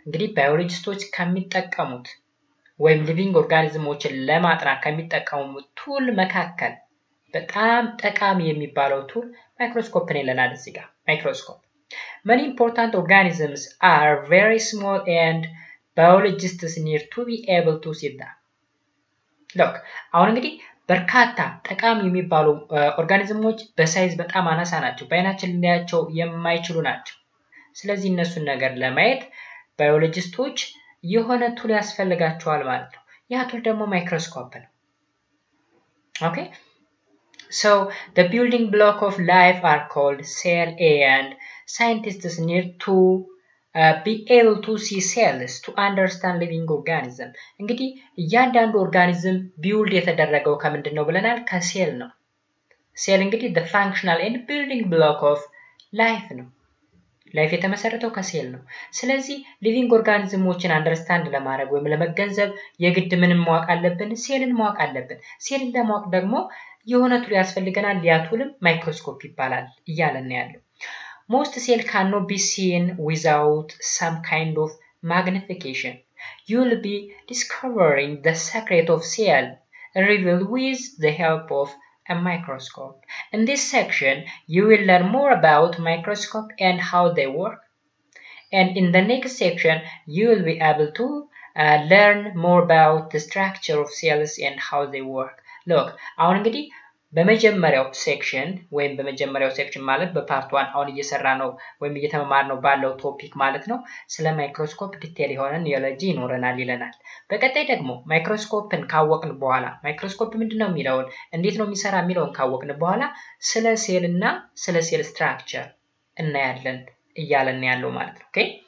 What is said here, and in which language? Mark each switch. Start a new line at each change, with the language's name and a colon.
Amharic: እንግዲህ biologists ከሚጠቀሙት ወይም living organismዎችን ለማጥናት ከሚጠቀሙት tools መካከል በጣም ጠቃሚ የሚባለው ቱል ማይክሮስኮፕ ነው ለናል እዚህ ጋር ማይክሮስኮፕ።
English: many important organisms are very small and biologists need to be able to see them.
Amharic: look አሁን እንግዲህ በርካታ ጠቃሚ የሚባሉ ኦርጋኒዝሞች በሳይዝ በጣም አናሳ ናቸው በአይናችን ልናያቸው የማይችሉ ናቸው። ስለዚህ እነሱን ነገር ለማየት ባዮሎጂስቶች የሆነ ቱል ያስፈልጋቸዋል ማለት ነው። ያ ቱል ደግሞ ማይክሮስኮፕ ነው። ኦኬ
English: so the building block of life are called cell and scientists need to be able to see cells to understand living organism.
Amharic: እንግዲህ እያንዳንዱ organism build የተደረገው ከምንድነው ብለናል ከሴል ነው። ሴል እንግዲህ
English: the functional and building block of life
Amharic: ነው። life የተመሰረተው ከሴል ነው። ስለዚህ living organismዎችን understand ለማድረግ ወይም ለመገንዘብ የግድ ምንም ማወቅ አለብን ሴልን ማወቅ አለብን። ሴልን ለማወቅ ደግሞ የሆነ ቱል ያስፈልገናል ያ ቱልም ማይክሮስኮፕ ይባላል እያለን ያለው።
English: most cell cannot be seen without some kind of magnification. you'll be discovering the secret of cell revealed with the help of a microscope. in this section you will learn more about microscope and how they work. and in the next section you will be able to learn more about the structure of cells and how they work.
Amharic: look አሁን እንግዲህ በመጀመሪያው ሴክሽን ወይም በመጀመሪያው ሴክሽን ማለት በፓርት 1 አሁን እየሰራ ነው ወይም እየተማማር ነው ባለው ቶፒክ ማለት ነው ስለ ማይክሮስኮፕ ዲቴል የሆነ ኒዮሎጂ ይኖረናል ይለናል። በቀጣይ ደግሞ ማይክሮስኮፕን ካወቅን በኋላ ማይክሮስኮፕ ምንድነው የሚለውን እንዴት ነው የሚሰራ የሚለውን ካወቅን በኋላ ስለ ሴል እና ስለ ሴል ስትራክቸር እናያለን እያለን ያለው ማለት ነው። ኦኬ